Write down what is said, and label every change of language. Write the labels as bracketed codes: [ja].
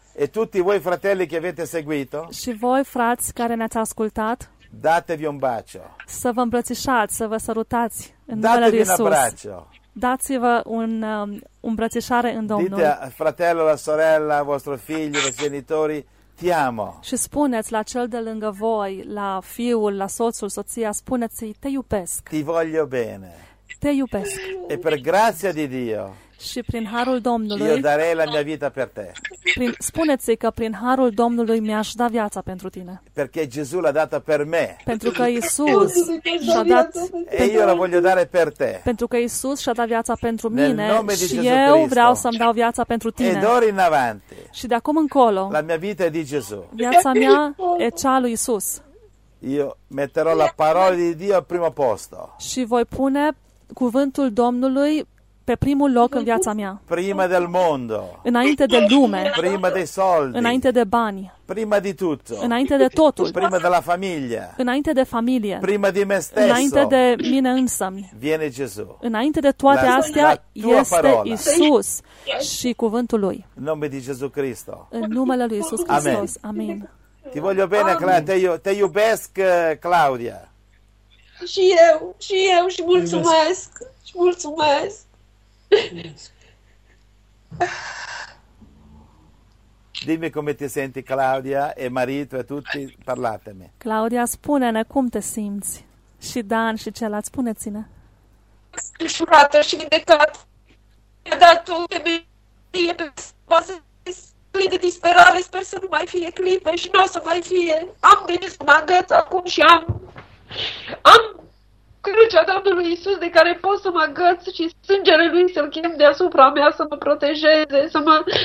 [it] E tutti voi fratelli che avete seguito. [ro] Și voi frați care ne-ați ascultat. [it] Datevi un bacio. [ro] Să vă îmbrățișați, să vă sărutați în [it] datevi [ro] numele lui [it] Iisus. Datevi un abbraccio. [ro] Dați-vă un îmbrățișare în Domnul. [it] Dite, fratello, la sorella, vostro figlio, la genitori, ti amo. [ro] Și spuneți la cel de lângă voi, la fiul, la soțul, soția, spuneți-i, te iubesc. [it] Ti voglio bene. [ro] Te iubesc. [it] E per grazia di Dio. [ro] Și prin harul Domnului. [it] Io darei la mia vita per te. [ro] Spuneți-i că prin harul Domnului mi-aș da viața pentru tine. [it] Perché Gesù l'ha data per me. [ro] Pentru că Iisus și-a dat. [it] E io la voglio dare per te. [ro] Pentru că Iisus și-a dat viața pentru mine. [it] Nel nome di [ro] și [it] Gesù [ro] eu [it] Cristo. [ro] Vreau să-mi dau viața pentru tine. [it] Ed ora in avanti. [ro] Și de acum încolo. [it] La mia vita è di Gesù. [ro] Viața mea e cea lui Iisus. [it] Io metterò la parola di Dio al primo posto. [ro] Și voi pune cuvântul Domnului pe primul loc în viața mea. [it] Prima del mondo. [ro] Înainte de lume. [it] Prima dei soldi. [ro] Înainte de bani. [it] Prima di tutto. [ro] Înainte de totul. [it] Prima della famiglia. [ro] Înainte de familie. [it] Prima di me stesso. [ro] Înainte de mine însămi. [it] Viene Gesù. [ro] Înainte de toate astea este Isus și cuvântul lui. [it] In nome di Gesù Cristo. [ro] În numele lui Isus Hristos. Amen. [it] Ti voglio bene, [ro] te iubesc, [it] Claudia. [ro] Și eu, și eu, și mulțumesc. Și mulțumesc. [it] Dimmi come ti senti, Claudia e marito e tutti, parlatemi. [ro] Claudia, spune-ne cum te simți. Și Dan și celălalt, spune-ți-ne. Sfârșurată și vindecat. Mi-a dat o temelie pe bază de plin de disperare. Sper să nu mai fie clipe și nu o să mai fie. Am venit să mă agăț acum și am crucea Domnului Iisus de care pot să mă agăț și sângele Lui să-L chem deasupra mea să mă protejeze, să mă...